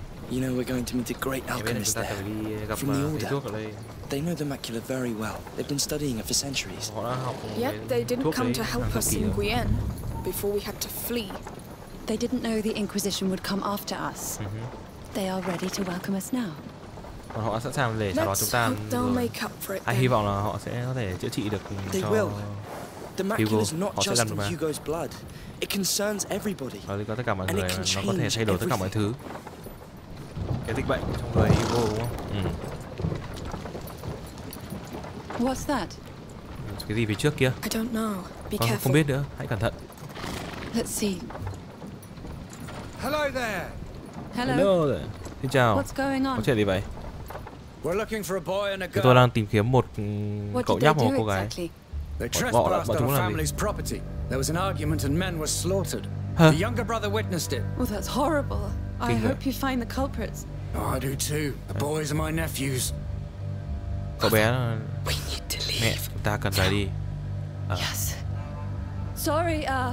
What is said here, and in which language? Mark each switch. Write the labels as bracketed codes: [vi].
[en] You know we're going to meet a great alchemist there. From the Order. They know the macula very well. They've been studying it for centuries. Yet they didn't come to help us in Guyen before we had to flee. They didn't know the Inquisition would come after us. They are ready to welcome us now. [vi] Họ sẵn sàng để chào đón chúng ta. Ai hy vọng là họ sẽ có thể chữa trị được cho. [en] They will. The macula is not just in Hugo's blood. It concerns everybody. [vi] Nó liên quan tất cả mọi người. Nó có thể thay đổi tất cả mọi thứ. Cái dịch bệnh trong người Hugo đúng không? [en] What's that? [vi] Cái gì phía trước kia? [en] I don't know. Be careful. [vi] Không biết nữa. Hãy cẩn thận. [en] Let's see. Hello there. [vi] Xin chào. [en] What's going on? [vi] Có chuyện gì vậy? [en] We're looking for a boy and a girl. [vi] Tôi đang tìm kiếm một cậu nhóc và một cô gái. Bọn chúng làm gì? [en] There was an argument and men were slaughtered. The younger brother witnessed it. Oh, that's horrible. I hope you find the culprits. Oh, I do too. The boys are my nephews. [vi] Cậu bé. [en] We need to leave. [vi] Mẹ, ta cần rời đi. [en] Yes. Sorry.